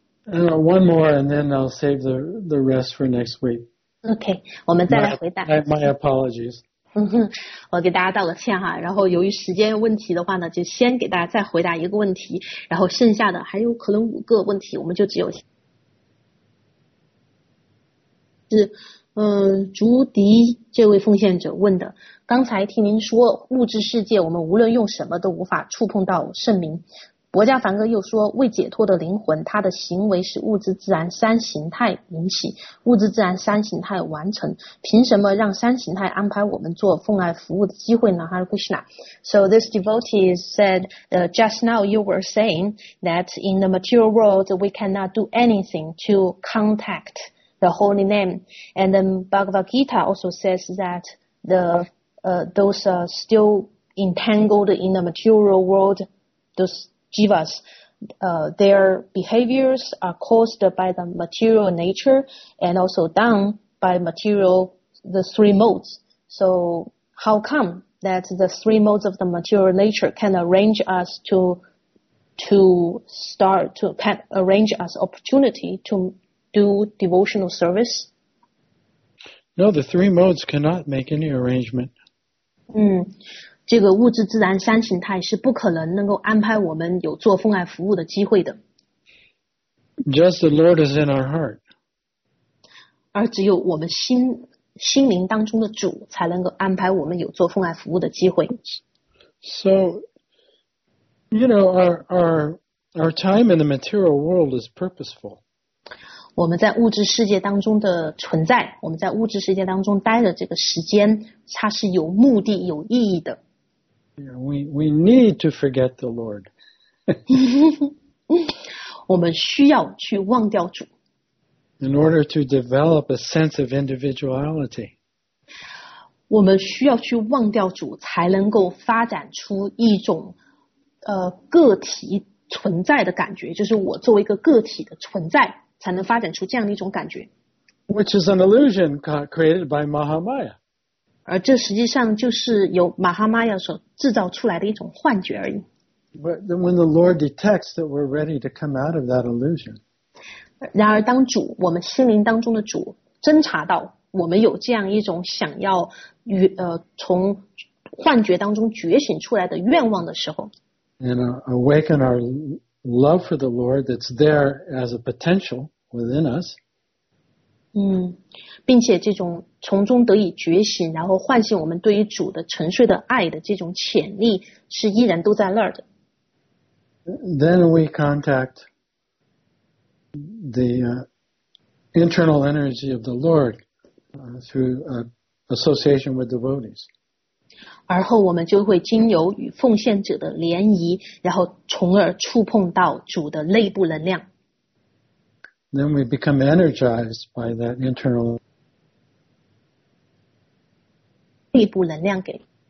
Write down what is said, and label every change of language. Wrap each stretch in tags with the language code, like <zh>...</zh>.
<en>One more, and then I'll save the rest for next week.</en> <zh>Okay, 我们再来回答。</zh> <en>My apologies.</en> <zh>我给大家道个歉哈，然后由于时间问题的话呢，就先给大家再回答一个问题，然后剩下的还有可能五个问题，我们就只有。是，竹笛这位奉献者问的。刚才听您说，物质世界我们无论用什么都无法触碰到圣明。薄伽梵哥又说，未解脱的灵魂，他的行为是物质自然三形态引起，物质自然三形态完成。凭什么让三形态安排我们做奉爱服务的机会呢？哈尔古希纳。</zh> <en>So this devotee said, just now you were saying that in the material world we cannot do anything to contact. The holy name, and then Bhagavad Gita also says that those are still entangled in the material world, those jivas, their behaviors are caused by the material nature and also done by material, the three modes. So how come that the three modes of the material nature can arrange us can arrange us opportunity to. Do devotional service? No, the three modes cannot make any arrangement.</en> <zh>这个物质自然三形态是不可能能够安排我们有做奉爱服务的机会的。</zh> <en>Just the Lord is in our heart.</en> <zh>而只有我们心灵当中的主才能够安排我们有做奉爱服务的机会。</zh> <en>So, you know, our time in the material world is purposeful.</en> <zh>我们在物质世界当中的存在，我们在物质世界当中待的这个时间，它是有目的、有意义的。</zh> <en>We need to forget the Lord.</en> <zh>我们需要去忘掉主。</zh> <en>In order to develop a sense of individuality.</en> <zh>我们需要去忘掉主，才能够发展出一种个体存在的感觉，就是我作为一个个体的存在。才能发展出这样的一种感觉</zh> <en>Which is an illusion created by Mahamaya.</en> <zh>而这实际上就是由马哈玛亚所制造出来的一种幻觉而已。</zh> <en>But when the Lord detects that we're ready to come out of that illusion,</en> <zh>然而当主，我们心灵当中的主侦察到我们有这样一种想要从幻觉当中觉醒出来的愿望的时候，</zh> <en>and awaken our love for the Lord that's there as a potential within us.</en> <zh>并且这种从中得以觉醒，然后唤醒我们对于主的沉睡的爱的这种潜力是依然都在那儿的。</zh> <en>Then we contact the internal energy of the Lord through association with devotees.</en> <zh>而后我们就会经由与奉献者的联谊，然后从而触碰到主的内部能量。</zh> <en>Then we become energized by that internal</en> <zh>内部能量给</zh>